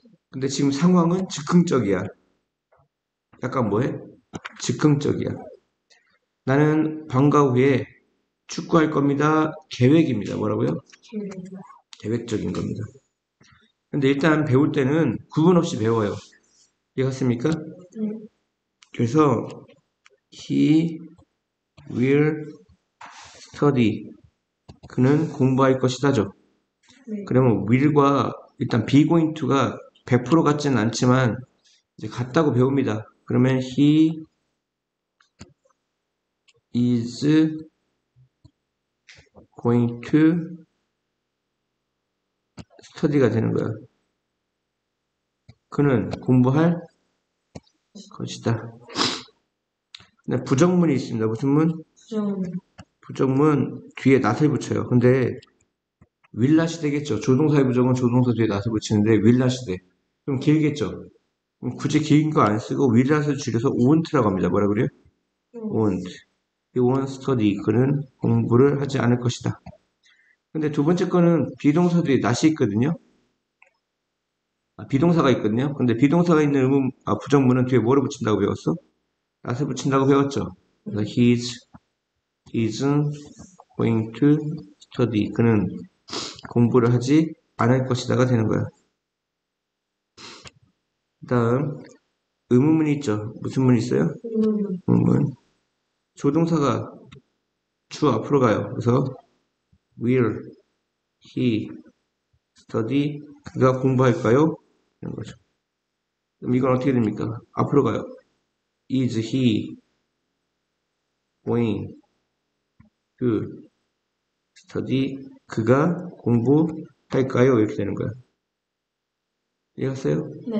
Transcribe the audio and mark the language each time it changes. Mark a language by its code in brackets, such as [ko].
[ko] 근데 지금 상황은 즉흥적이야. 약간 뭐해? 즉흥적이야. 나는 방과 후에 축구할 겁니다. 계획입니다. 뭐라고요? 계획적인 겁니다. 근데 일단 배울 때는 구분 없이 배워요. 이해갔습니까? 그래서 [en] he will study. [ko] 그는 공부할 것이다죠. 그러면 will과 일단 be going to가 100% 같지는 않지만 이제 같다고 배웁니다. 그러면 [en] he is going to study가 [ko] 되는 거야. 그는 공부할 것이다. 근데 부정문이 있습니다. 무슨 문? 부정문 뒤에 낫을 붙여요. 근데 will not이 되겠죠. 조동사의 부정은 조동사 뒤에 낫을 붙이는데 will not이 돼. 그럼 길겠죠. 그럼 굳이 긴거안 쓰고 will not을 줄여서 won't라고 합니다. 뭐라 그래요? [en] won't. He won't study. [ko] 그는 공부를 하지 않을 것이다. 근데 두 번째 거는 비동사 뒤에 not이 있거든요. 아, 비동사가 있거든요. 근데 비동사가 있는 부정문은 뒤에 뭐를 붙인다고 배웠어? not을 붙인다고 배웠죠. 그래서 [en] he isn't going to study. [ko] 그는 공부를 하지 않을 것이다가 되는 거야. 다음, 의문문이 있죠. 무슨 문이 있어요? 의문문. 조동사가 주 앞으로 가요. [en] 그래서 will he study? [ko] 그가 공부할까요? 거죠. 그럼 이건 어떻게 됩니까? 앞으로 가요. [en] Is he going to study? [ko] 그가 공부할까요? 이렇게 되는 거야. 이해하세요?